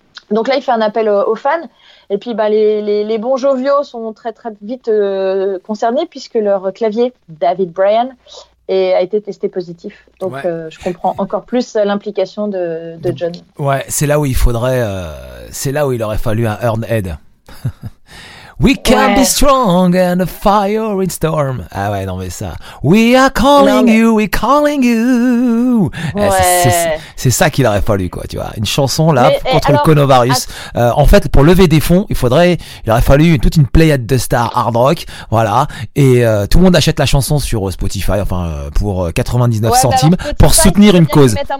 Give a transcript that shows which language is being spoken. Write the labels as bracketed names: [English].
[French] Donc là, il fait un appel aux fans. Et puis, bah, les bons joviaux sont très, très vite concernés, puisque leur clavier, David Bryan, a été testé positif. Donc, ouais. Je comprends encore plus l'implication de John. Ouais, c'est là où il faudrait. C'est là où il aurait fallu un Earn Head. [English] We can be strong and a fire in storm. [French] Ah ouais, non, mais ça. [English] We are calling you, we're calling you. [French] Ouais. C'est ça qu'il aurait fallu, quoi, tu vois. Une chanson, là, contre le coronavirus. En fait, pour lever des fonds, il aurait fallu toute une pléiade de stars hard rock. Voilà. Et, tout le monde achète la chanson sur Spotify, enfin, pour 99 centimes, pour soutenir une cause.